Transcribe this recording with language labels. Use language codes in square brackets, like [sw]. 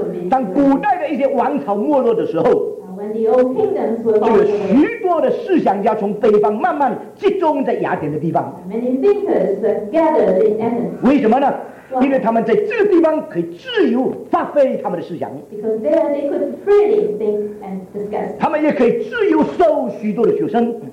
[zh] 当古代的一些王朝没落的时候, [en] When the old kingdoms were [zh] born, 许多的思想家从北方慢慢集中在雅典的地方。 [en] Many thinkers gathered in Athens. [zh] 因为他们在这个地方可以自由发挥他们的思想， [en] because there they could freely think and discuss. [zh] 他们也可以自由收许多的学生，